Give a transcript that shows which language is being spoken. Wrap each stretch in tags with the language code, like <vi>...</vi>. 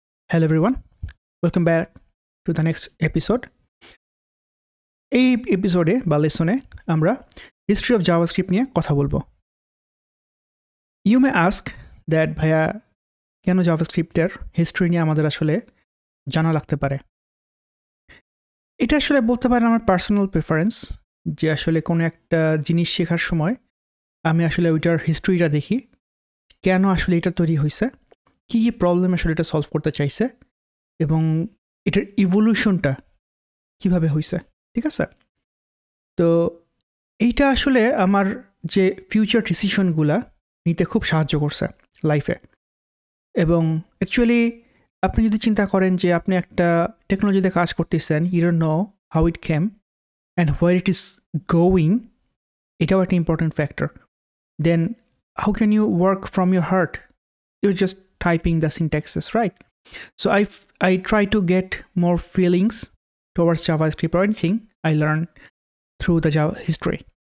<en>Hello everyone, welcome back to the next episode.</en> <bn>এই এপিসোডে বা লেসনে আমরা হিস্ট্রি অফ জাভাস্ক্রিপ্ট নিয়ে কথা বলবো.</bn> <en>you may ask that</en> <bn>ভাইয়া কেন জাভাস্ক্রিপ্টের হিস্ট্রি নিয়ে আমাদের আসলে জানা লাগতে পারে. এটা আসলে বলতে পারেন আমার পার্সোনাল প্রেফারেন্স যে আসলে কোনো একটা জিনিস শেখার সময় আমি আসলে ওইটার হিস্ট্রিটা দেখি, কেন আসলে এটা তৈরি হয়েছে, কী কী প্রবলেম আসলে এটা সলভ করতে চাইছে এবং এটার ইভলিউশনটা কীভাবে হয়েছে. ঠিক আছে, তো এইটা আসলে আমার যে ফিউচার ডিসিশনগুলো নিতে খুব সাহায্য করছে লাইফে. এবং অ্যাকচুয়ালি আপনি যদি চিন্তা করেন যে আপনি একটা টেকনোলজিতে কাজ করতেছেন,</bn> <en>you don't know how it came and where it is going,</en> <bn>এটাও একটা important factor.</bn> <en>Then how can you work from your heart, you just typing the syntaxes, right? So I try to get more feelings towards JavaScript or anything I learn through the Java history.</en>